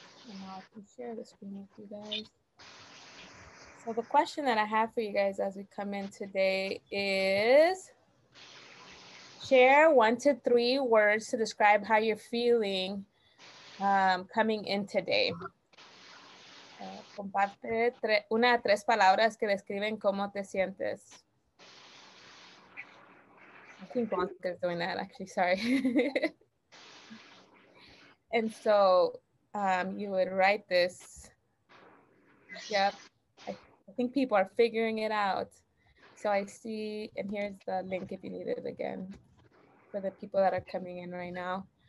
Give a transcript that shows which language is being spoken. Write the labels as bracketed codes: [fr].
[en] And I'll share the screen with you guys. So the question that I have for you guys as we come in today is, share 1 to 3 words to describe how you're feeling coming in today. [es] Comparte una a tres palabras que describen cómo te sientes. [en] I think Bonk is doing that, actually, sorry. And so you would write this. Yep. I think people are figuring it out. So I see, and here's the link if you need it again for the people that are coming in right now.